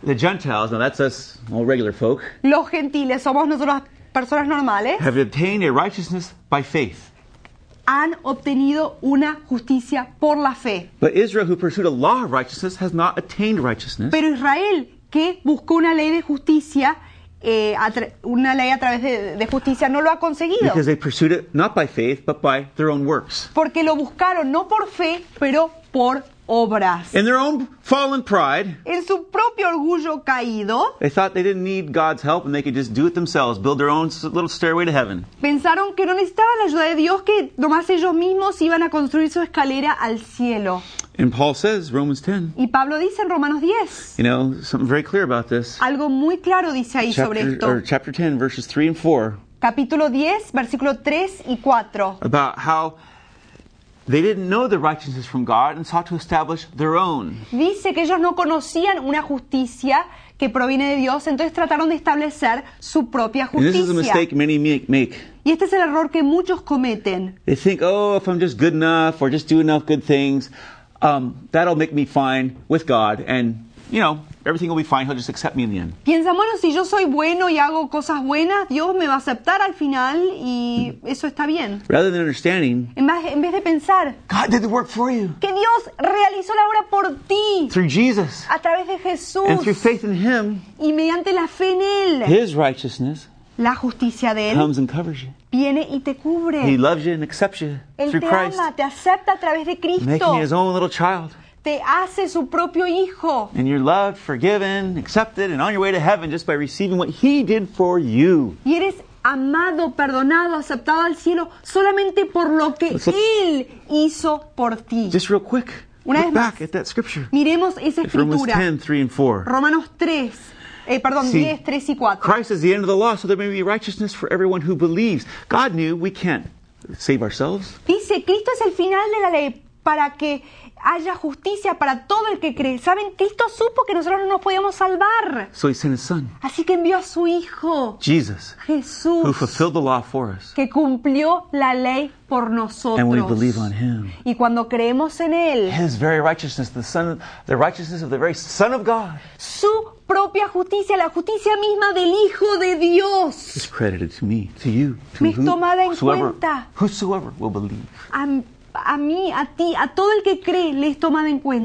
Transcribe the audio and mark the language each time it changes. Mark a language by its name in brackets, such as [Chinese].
[English] The Gentiles, now that's us, all regular folk. [Spanish] Los gentiles, somos nosotros personas normales. [English] Have obtained a righteousness by faith. [Spanish] Han obtenido una justicia por la fe. [English] But Israel, who pursued a law of righteousness, has not attained righteousness. [Spanish] Pero Israel, que buscó una ley de justicia, una ley a través de justicia, no lo ha conseguido. [English] Because they pursued it not by faith, but by their own works. [Spanish] Porque lo buscaron no por fe, pero por obras. [English] In their own fallen pride, [Spanish] en su propio orgullo caído, [English] they thought they didn't need God's help and they could just do it themselves, build their own little stairway to heaven. [Spanish] Pensaron que no necesitaban la ayuda de Dios, que nomás ellos mismos iban a construir su escalera al cielo. [English] And Paul says, Romans 10. [Spanish] Y Pablo dice en Romanos 10. [English] You know, something very clear about this. [Spanish] Algo muy claro dice ahí [English] chapter, [Spanish] sobre esto. [English] Or chapter 10, verses 3 and 4. [Spanish] Capítulo 10, versículo 3 y 4. [English] About how they didn't know the righteousness from God and sought to establish their own. [Spanish] Dice que ellos no conocían una justicia que proviene de Dios, entonces trataron de establecer su propia justicia. [English] And this is a mistake many make. [Spanish] Y este es el error que muchos cometen. [English] They think, oh, if I'm just good enough or just do enough good things, that'll make me fine with God and, you know, everything will be fine. He'll just accept me in the end. [Spanish] Piensa, bueno, si yo soy bueno y hago cosas buenas, Dios me va a aceptar al final y eso está bien. [English] Rather than understanding, [Spanish] en vez de pensar, [English] God did the work for you. [Spanish] Que Dios realizó la obra por ti. [English] Through Jesus. [Spanish] A través de Jesús. [English] And through faith in Him. [Spanish] Y mediante la fe en Él. [English] His righteousness. [Spanish] La justicia de Él. [English] Comes and covers you. [Spanish] Viene y te cubre. [English] He loves you and accepts you [Spanish] Él [English] through [Spanish] te [English] Christ. [Spanish] Ama, te acepta a través de Cristo. [English] Making you His own little child. [Spanish] Te hace su propio hijo. [English] And you're loved, forgiven, accepted, and on your way to heaven just by receiving what He did for you. [Spanish] Y eres amado, perdonado, aceptado al cielo solamente por lo que Él hizo por ti. [English] Just real quick, [Spanish] una [English] look [Spanish] vez más, [English] at that scripture. [Spanish] Miremos esa escritura. [English] Romans 10, 3 and 4. [Spanish] Romanos 3. Perdón, [English] see, [Spanish] 10, 3 y 4. [English] Christ is the end of the law, so there may be righteousness for everyone who believes. God knew we can't save ourselves. [Spanish] Dice, Cristo es el final de la ley para que haya justicia para todo el que cree. ¿Saben? Cristo supo que nosotros no nos podíamos salvar. [English] So he sent his son, [Spanish] así que envió a su Hijo. [English] Jesus, [Spanish] Jesús. [English] Who fulfilled the law for us, [Spanish] que cumplió la ley por nosotros. [English] And we believe on him, [Spanish] y cuando creemos en Él. [English] His very righteousness, the righteousness of the very Son of God, [Spanish] su propia justicia, la justicia misma del Hijo de Dios. [English] Is credited to me, to you, to [Spanish] me es tomada en cuenta. [English] Whosoever will believe. [Spanish] A mí, a ti, a todo el que cree, le es tomado en cuenta.